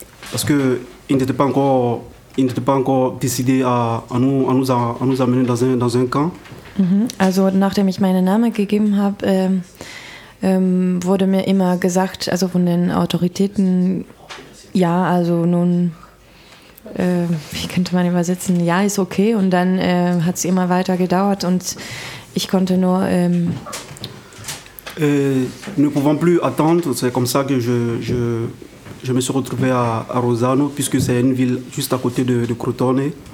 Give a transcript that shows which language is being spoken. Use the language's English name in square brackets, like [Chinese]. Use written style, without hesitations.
[French] Parce que ils n'étaient pas encore décidés à nous amener dans un camp. [German] Also nachdem ich meinen Namen gegeben habe, wurde mir immer gesagt, also von den Autoritäten, wie könnte man übersetzen, ja, ist okay. Und dann hat es immer weiter gedauert und ich konnte nur... [French] Ne pouvant plus attendre, c'est comme ça que je me suis retrouvé à Rosano, puisque c'est une ville juste à côté de Crotone.